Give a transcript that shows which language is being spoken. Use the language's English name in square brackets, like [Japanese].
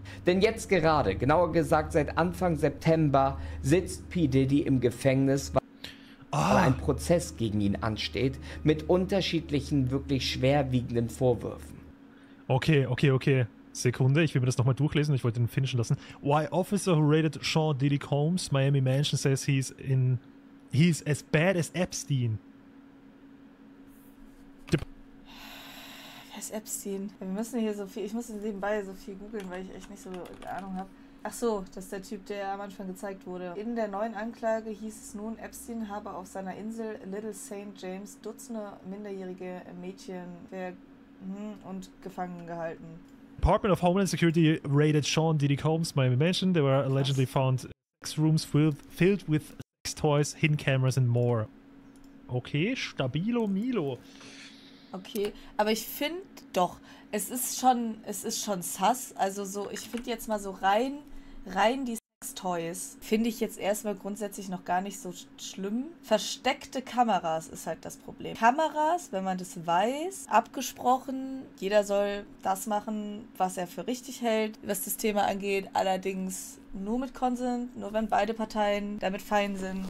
[German] Denn jetzt gerade, genauer gesagt seit Anfang September, sitzt P. Diddy im Gefängnis, weil ein Prozess gegen ihn ansteht, mit unterschiedlichen, wirklich schwerwiegenden Vorwürfen. Okay, okay, okay. Sekunde, ich will mir das nochmal durchlesen. Ich wollte den finishen lassen. [English] Why officer who raided Sean Diddy Combs, Miami Mansion says he's as bad as Epstein. [German] Wer ist Epstein? Wir müssen hier so viel, ich muss nebenbei so viel googeln, weil ich echt nicht so Ahnung habe. Ach so, das ist der Typ, der am Anfang gezeigt wurde. In der neuen Anklage hieß es nun, Epstein habe auf seiner Insel Little St. James Dutzende minderjährige Mädchen und gefangen gehalten. [English] Department of Homeland Security raided Sean Diddy Combs, Miami Mansion. They were allegedly found sex rooms filled with sex toys, hidden cameras and more. [German] Okay, stabilo Milo. Okay, aber ich finde doch, es ist schon sus. Also so, ich finde jetzt mal so rein die Sex Toys finde ich jetzt erstmal grundsätzlich noch gar nicht so schlimm. Versteckte Kameras ist halt das Problem. Kameras, wenn man das weiß, abgesprochen, jeder soll das machen, was er für richtig hält, was das Thema angeht, allerdings nur mit Consent, nur wenn beide Parteien damit fein sind.